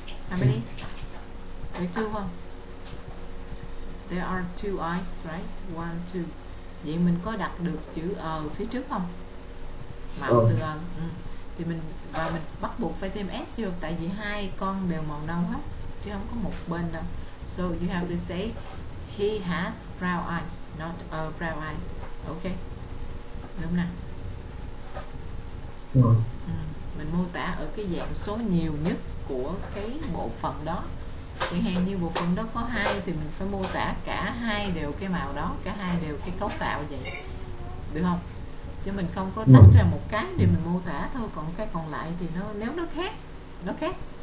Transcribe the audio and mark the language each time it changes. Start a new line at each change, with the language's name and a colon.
English: How many?
Vietnamese: Mấy two không?
English: There are two eyes, right? One, two.
Vietnamese: Vậy mình có đặt được chữ ờ phía trước không? Mạo từ ờ. Thì mình và mình bắt buộc phải thêm s vô tại vì hai con đều màu nâu hết chứ không có một bên đâu.
English: So you have to say he has brown eyes, not a brown eye.
Vietnamese: Okay. Đúng nào? Mình mô tả ở cái dạng số nhiều nhất của cái bộ phận đó. Chẳng hạn như bộ phận đó có hai thì mình phải mô tả cả hai đều cái màu đó, cả hai đều cái cấu tạo vậy. Được không? Chứ mình không có tách ra một cái để mình mô tả thôi, còn cái còn lại thì nó nếu nó khác, nó khác.